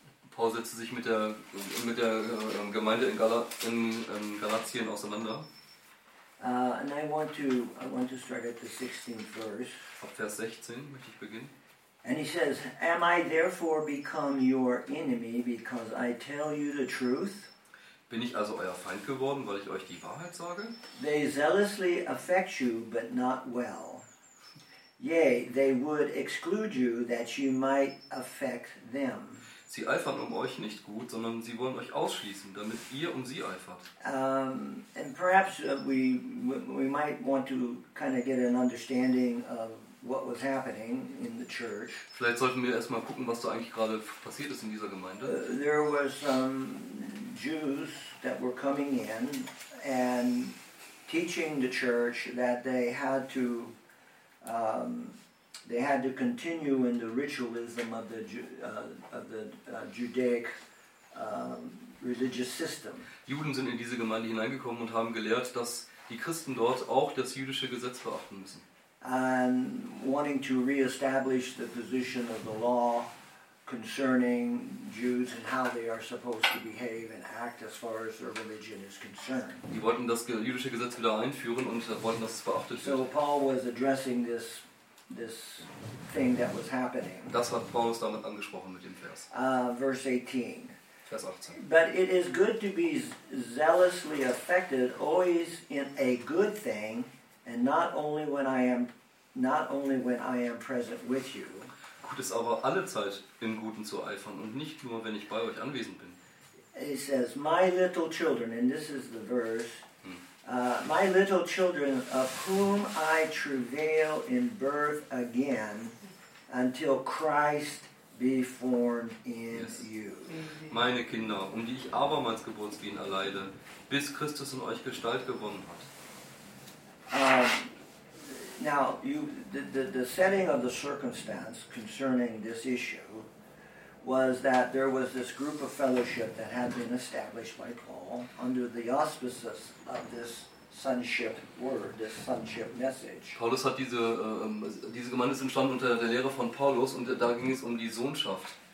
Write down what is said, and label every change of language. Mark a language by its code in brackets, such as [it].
[de] Paul setzte sich mit der Gemeinde in Galatien auseinander. [en] And I want to start at the 16th verse. [de] Ab Vers 16 möchte ich beginnen. [en] And he says, am I therefore become your enemy because I tell you the truth? [de] Bin ich also euer Feind geworden, weil ich euch die Wahrheit sage? [en] They zealously affect you, but not well. Yea, they would exclude you that you might affect them. [de] Sie eifern um euch nicht gut, sondern sie wollen euch ausschließen, damit ihr um sie eifert. [en] And perhaps we might want to kind of get an understanding of what was happening in the church. [de] Vielleicht sollten wir erstmal gucken, was da eigentlich gerade passiert ist in dieser Gemeinde. [en] There were some Jews that were coming in and teaching the church that they had to continue in the ritualism of the Judaic religious system. [de] Juden sind in diese Gemeinde hineingekommen und haben gelehrt, dass die Christen dort auch das jüdische Gesetz beachten müssen. [en] And wanting to reestablish the position of the law concerning Jews and how they are supposed to behave and act as far as their religion is concerned. [de] Die wollten das jüdische Gesetz wieder einführen und wollten, dass es beachtet wird. [en] So Paul was addressing this thing that was happening. [de] Das hat Paulus damit angesprochen mit dem Vers. [en] Verse 18. [de] Vers 18. [en] But it is good to be zealously affected always in a good thing, and not only when I am present with you. [de] Gut ist aber alle Zeit im Guten zu eifern und nicht nur, wenn ich bei euch anwesend bin. [en] he says, "My little children," and this is the verse, "My little children, of whom I travail in birth again, until Christ be formed in you." [de] Meine Kinder, die ich abermals Geburtswehen erleide, bis Christus in euch Gestalt gewonnen hat. [en] Now, the setting of the circumstance concerning this issue was that there was this group of fellowship that had been established by Paul under the auspices of this sonship word, this sonship message. [de] Paulus hat diese diese Gemeinde ist entstanden unter der Lehre von Paulus und da ging es die Sohnschaft.